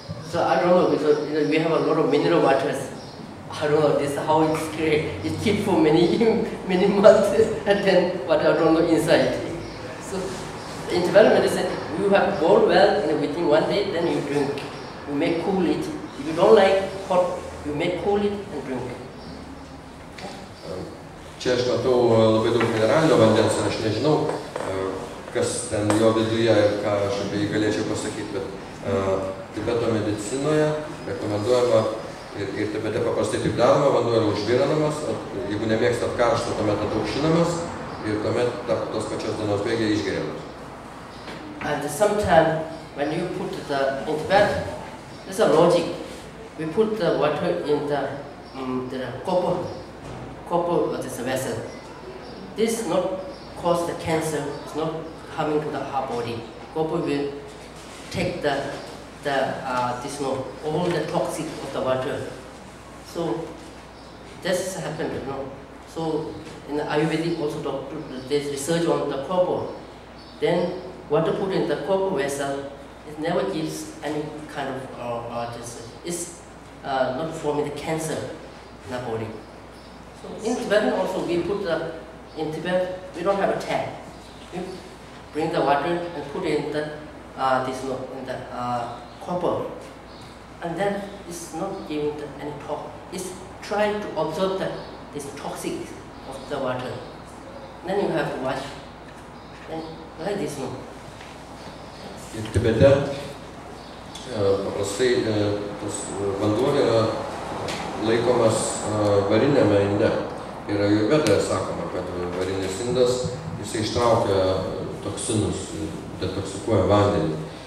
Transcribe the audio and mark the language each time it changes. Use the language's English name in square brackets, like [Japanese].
[English] So I don't know, so, you know, we have a lot of mineral waters. I don't know this, how it's great. It keeps for many months and then what I don't know inside. So in Tibetan medicine, you have boiled well and within one day, then you drink. You may cool it. If you don't like hot, you may cool it and drink. [Lithuanian] Čia aš matau labai daug mineralinio vandens, aš nežinau, kas ten jo viduje ir ką aš apie jį galėčiau pasakyti, bet Tibeto medicinoje rekomenduojama ir Tibete paprastai taip daroma, vanduo yra užvirinamas, jeigu nemėgsta karštą, tuomet ataušinamas ir tuomet tos pačios dienos bėgė išgeriamas. [English] And sometimes when you put the in Tibet, there's a logic. We put the water in the copper of this vessel. This not cause the cancer, it's not coming to the heart body. Copper will take all the toxic of the water. So this happened, you know. So in the Ayurvedic also there's research on the copper. Then water put in the copper vessel, it never gives any kind of it's not forming the cancer in the body. So in Tibetan also we put the, in Tibet we don't have a tap. We bring the water and put it in the copper. And then it's not giving the, any problem. It's trying to absorb the, this toxic of the water. Then you have to wash. [Lithuanian] Ir Tibete paprastai tas vanduo yra laikomas variniame inde. Ir Ajurvedoje sakoma, kad varinis indas jis ištraukia toksinus, detoksikuoja vandenį.